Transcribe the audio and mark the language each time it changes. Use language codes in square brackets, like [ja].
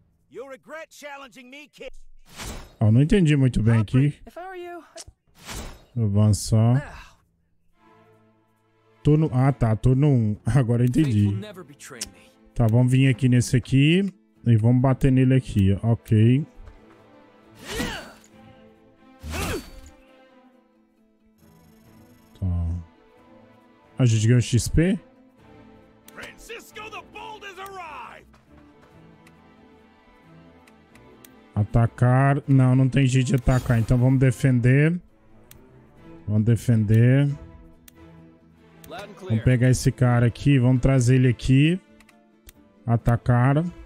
[en] You'll regret challenging me, kid. [pt] Oh, não entendi muito bem aqui. [en] If I were you, [pt] avançar. Turno... Ah, tá. Turno 1. Agora eu entendi. Tá, vamos vir aqui nesse aqui. E vamos bater nele aqui. Ok. A gente ganhou XP? [en] Francisco, the Bold has arrived. [pt] Atacar. Não, não tem jeito de atacar. Então vamos defender. Vamos defender. Vamos pegar esse cara aqui. Vamos trazer ele aqui. Atacar.